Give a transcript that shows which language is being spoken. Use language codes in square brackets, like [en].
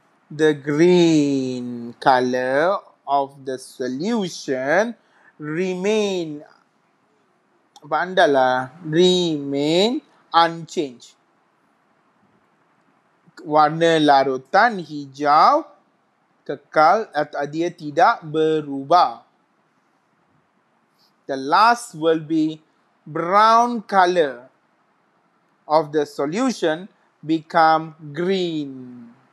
[en] The green color of the solution remain, remain unchanged. [ms] Warna larutan hijau kekal atau dia tidak berubah. [en] The last will be brown color of the solution become green.